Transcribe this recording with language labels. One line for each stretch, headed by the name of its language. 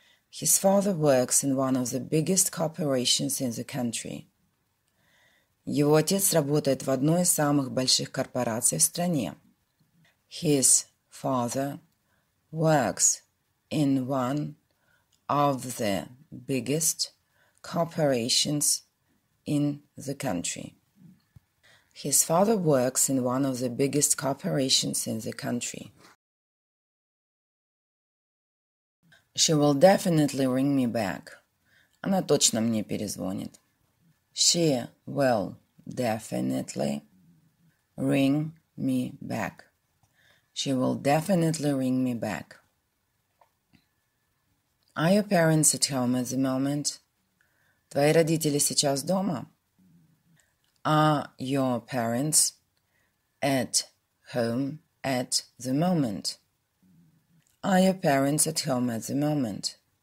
English: His father works in one of the biggest corporations in the country.
Russian: Его отец работает в одной из самых больших корпораций в стране.
English: His father works in one of the biggest corporations in the country. His father works in one of the biggest corporations in the country. She will definitely ring me back.
Russian: Она точно мне перезвонит.
English: She will definitely ring me back. She will definitely ring me back. Are your parents at home at the moment?
Russian: Твои родители сейчас дома?
English: Are your parents at home at the moment? Are your parents at home at the moment?